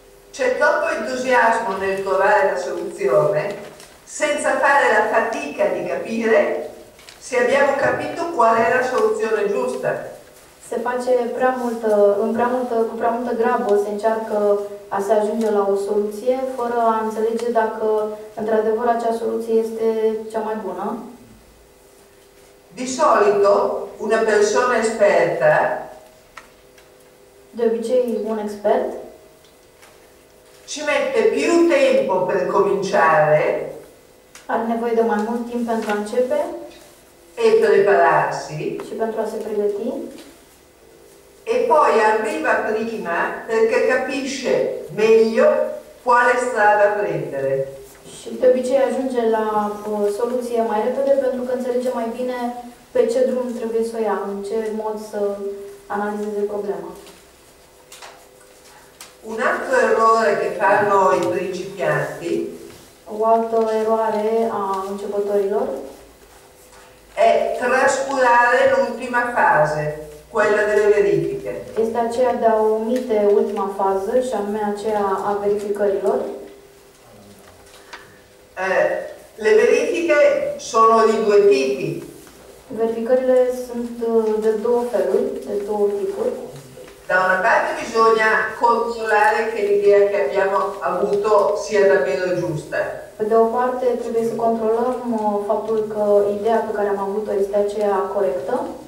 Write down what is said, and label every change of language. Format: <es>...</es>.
<it>C'è troppo entusiasmo nel trovare la soluzione senza fare la fatica di capire se abbiamo capito qual è la soluzione giusta.</it> <ro>Se face prea multă, cu prea multă grabă se încearcă a se ajunge la o soluție fără a înțelege dacă într-adevăr acea soluție este cea mai bună.</ro> <it>Di solito una persona esperta.</it> <ro>De obicei un expert</ro> <it>ci mette più tempo per cominciare.</it> <ro>Are nevoie de mai mult timp pentru a începe</ro> <it>e prepararsi</it> <ro>și pentru a se pregăti.</ro> <it>E poi arriva prima perché capisce meglio quale strada prendere.</it> <ro>Și de obicei ajunge la soluție mai repede pentru că înțelege mai bine pe ce drum trebuie să o ia, în ce mod să analizeze problema.</ro> <it>Un altro errore che fanno i principianti.</it> <ro>O altă eroare a începătorilor</ro> <it>è trascurare l'ultima fase, quella delle verifiche.</it> <ro>Este aceea de a omite ultima fază, și anume aceea a verificărilor.</ro> <it>Le verifiche sono di due tipi.</it> <ro>Verificările sunt de două feluri, de două tipuri.</ro> <it>Da una parte bisogna controllare che l'idea che abbiamo avuto sia davvero giusta.</it> <ro>Pe de o parte trebuie să controlăm faptul că ideea pe care am avut-o este aceea corectă.</ro>